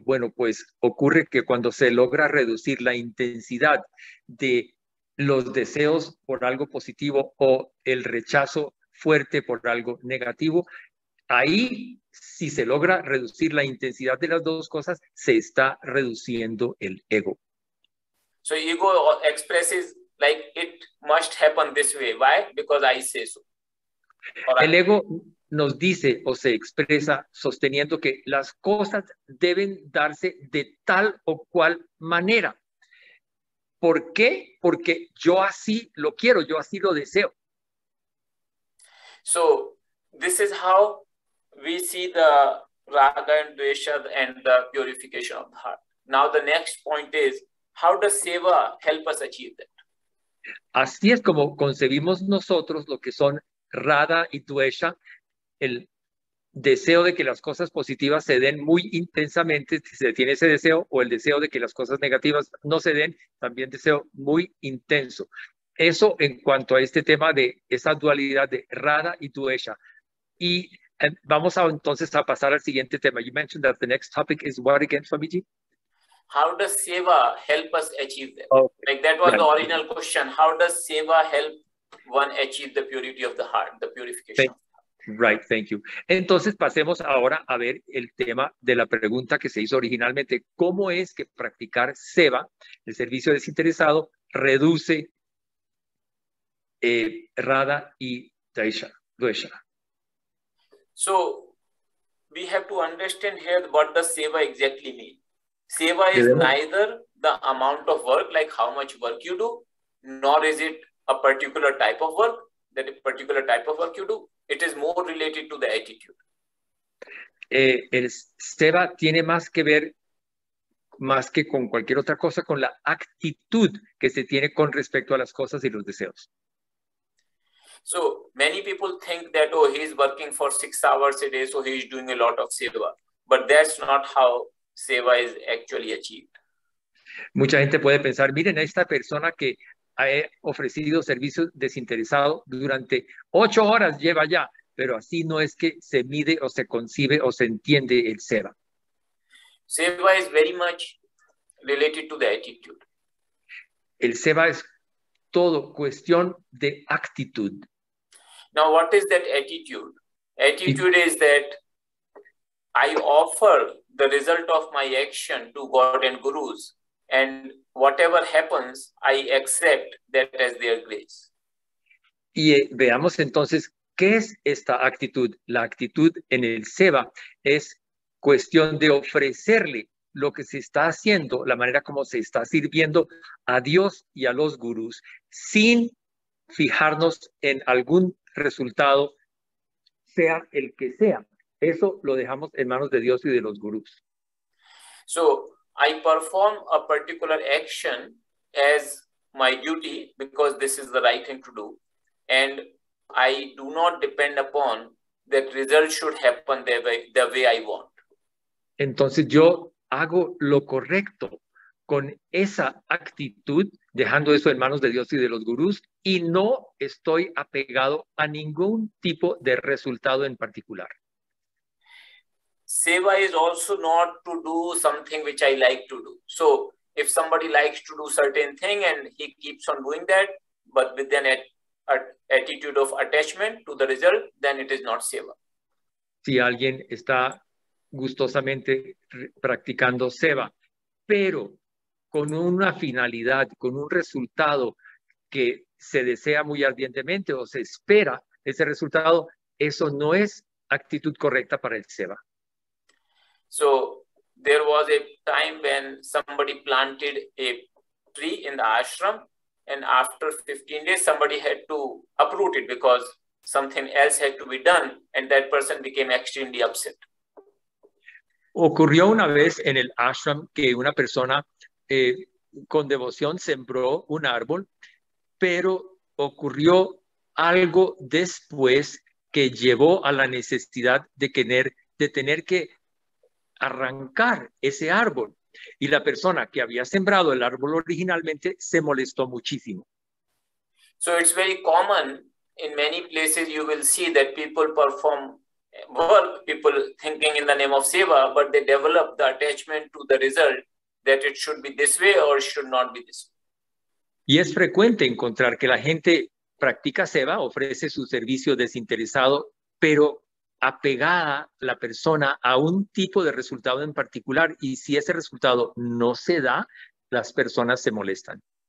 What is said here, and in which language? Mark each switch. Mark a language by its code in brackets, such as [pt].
[es] Bueno, pues ocurre que cuando se logra reducir la intensidad de los deseos por algo positivo o el rechazo fuerte por algo negativo, ahí, si se logra reducir la intensidad de las dos cosas, se está reduciendo el ego. [en] So ego expresses like it must happen this way. Why? Because I say so. [es] El ego nos dice o se expresa sosteniendo que las cosas deben darse de tal o cual manera. ¿Por qué? Porque yo así lo quiero, yo así lo deseo. [en] So, this is how we see the raga and dvesha and the purification of the heart. Now, the next point is, how does seva help us achieve that? [es] Así es como concebimos nosotros lo que son raga y dvesha. El deseo de que las cosas positivas se den muy intensamente, se tiene ese deseo, o el deseo de que las cosas negativas no se den, también deseo muy intenso. Eso en cuanto a este tema de esa dualidad de Radha y Dvesha. Y vamos a, entonces a pasar al siguiente tema. [en] You mentioned that the next topic is what again, Swamiji? How does seva help us achieve that? Okay. Like that was right. The original question. How does seva help one achieve the purity of the heart, the purification? Right, thank you. [es] Entonces, pasemos ahora a ver el tema de la pregunta que se hizo originalmente. ¿Cómo es que practicar seva, el servicio desinteresado, reduce raga y dvesha? [en] So, we have to understand here what does seva exactly mean. Seva is neither the amount of work, like how much work you do, nor is it a particular type of work, that a particular type of work you do. It is more related to the attitude. [es] El seva tiene más que ver, más que con cualquier otra cosa, con la actitud que se tiene con respecto a las cosas y los deseos. [en] So many people think that, oh, he is working for 6 hours a day, so he is doing a lot of seva. But that's not how seva is actually achieved. [es] Mucha gente puede pensar, miren, esta persona que ha ofrecido servicio desinteresado durante 8 horas lleva ya, pero así no es que se mide o se concibe o se entiende el seva. [en] Seva is very much related to the attitude. [es] El seva es todo cuestión de actitud. [en] Now, what is that attitude? Attitude is that I offer the result of my action to God and Gurus, and whatever happens, I accept that as their grace. [es] Y veamos entonces, ¿qué es esta actitud? La actitud en el seva es cuestión de ofrecerle lo que se está haciendo, la manera como se está sirviendo a Dios y a los gurús, sin fijarnos en algún resultado, sea el que sea. Eso lo dejamos en manos de Dios y de los gurús. [en] So, I perform a particular action as my duty, because this is the right thing to do. And I do not depend upon that result should happen the way I want. [es] Entonces yo hago lo correcto con esa actitud, dejando eso en manos de Dios y de los gurús, y no estoy apegado a ningún tipo de resultado en particular. [en] Seva is also not to do something which I like to do. So if somebody likes to do certain thing and he keeps on doing that, but with an attitude of attachment to the result, then it is not seva. [es] Si alguien está gustosamente practicando seva, pero con una finalidad, con un resultado que se desea muy ardientemente o se espera ese resultado, eso no es actitud correcta para el seva. [en] So, there was a time when somebody planted a tree in the ashram, and after 15 days, somebody had to uproot it because something else had to be done, and that person became extremely upset. [es] Ocurrió una vez en el ashram que una persona con devoción sembró un árbol, pero ocurrió algo después que llevó a la necesidad de tener que arrancar ese árbol. Y la persona que había sembrado el árbol originalmente se molestó muchísimo. [en] So it's very common in many places you will see that people perform work, people thinking in the name of seva, but they develop the attachment to the result that it should be this way or should not be this way. [es] Y es frecuente encontrar que la gente practica seva, ofrece su servicio desinteresado, pero apegada la persona a un tipo de resultado en particular, y si ese resultado no se da, las personas se molestan.